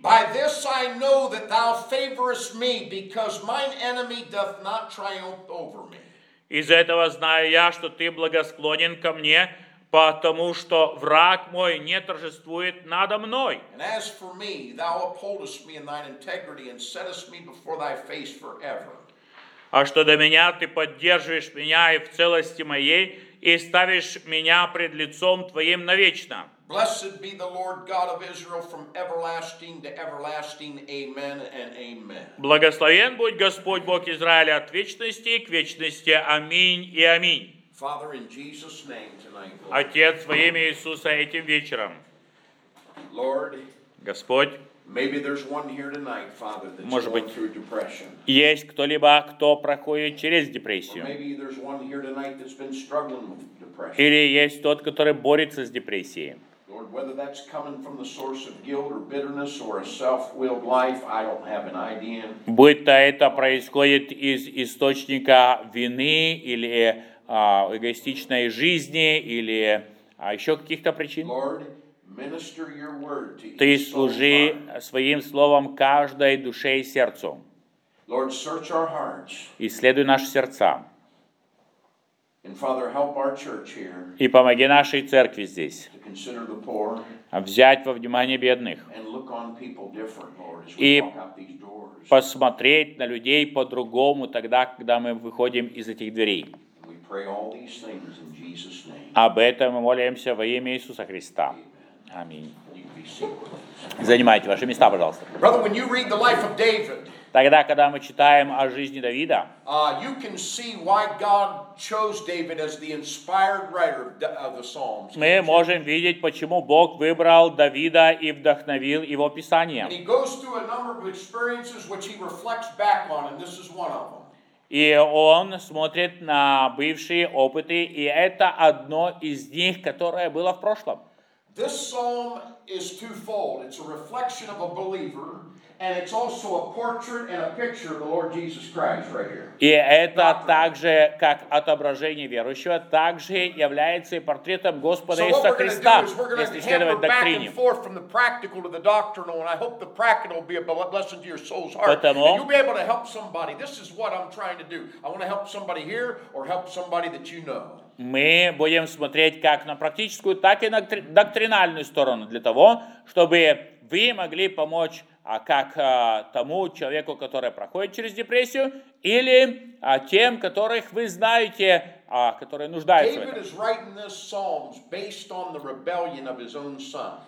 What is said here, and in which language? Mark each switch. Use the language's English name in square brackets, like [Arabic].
[English] By this I know that thou favorest me, because mine enemy doth not triumph over me. [Russian] Из этого знаю я, что ты благосклонен ко мне, потому что враг мой не торжествует надо мной. [English] And as for me, thou upholdest me in thine integrity and settest me before thy face forever. [Russian] А что до меня, ты поддерживаешь меня и в целости моей, и ставишь меня пред лицом Твоим навечно. [English] Blessed be the Lord God of Israel from everlasting to everlasting. Amen and amen. [Russian] Благословен будь Господь Бог Израиля от вечности к вечности. Аминь и аминь. [English] Father, in Jesus' name tonight. [Russian] Отец, во имя Иисуса этим вечером. [English] Lord. [Russian] Господь. [English] Maybe there's one here tonight, Father, that's going through depression. [Russian] Может быть, есть кто-либо, кто проходит через депрессию. [English] Or maybe there's one here tonight that's been struggling with depression. [Russian] Или есть тот, который борется с депрессией. [English] Lord, whether that's coming from the source of guilt or bitterness or a self-willed life, I don't have an idea. [Russian] Будь то это происходит из источника вины или эгоистичной жизни или еще каких-то причин. [English] Lord, minister your word to each soul. [Russian] Ты служи своим словом каждой душе и сердцу. [English] Lord, search our hearts. [Russian] Исследуй наши сердца. [English] And Father, help our church here. [Russian] И помоги нашей церкви здесь. [English] To consider the poor. [Russian] Взять во внимание бедных. [English] And look on people different, Lord, as we walk out these doors. [Russian] Посмотреть на людей по-другому тогда, когда мы выходим из этих дверей. [English] And we pray all these things in Jesus' name. [Russian] Об этом мы молимся во имя Иисуса Христа. Аминь. Занимайте ваши места, пожалуйста. [English] Brother, when you read the life of David, [Russian] тогда, когда мы читаем о жизни Давида, [English] you can see why God chose David as the inspired writer of the Psalms. [Russian] Мы можем видеть, почему Бог выбрал Давида и вдохновил его писанием. [English] He goes through a number of experiences which he reflects back on, and this is one of them. [Russian] И он смотрит на бывшие опыты, и это одно из них, которое было в прошлом. [English] This psalm is twofold. It's a reflection of a believer, and it's also a portrait and a picture of the Lord Jesus Christ right here. [Russian] И это также как отображение верующего, также является и портретом Господа Иисуса Христа. Если следовать доктрине. [English] Back and forth from the practical to the doctrinal, and I hope the practical will be a blessing to your soul's heart. [Russian] Потому, [English] and you'll be able to help somebody. This is what I'm trying to do. I want to help somebody here or help somebody that you know. [Russian] Мы будем смотреть как на практическую, так и на доктринальную сторону для того, чтобы вы могли помочь как тому человеку, который проходит через депрессию, или тем, которых вы знаете, которые нуждаются [English] David Is writing this psalms based on the rebellion of his own son.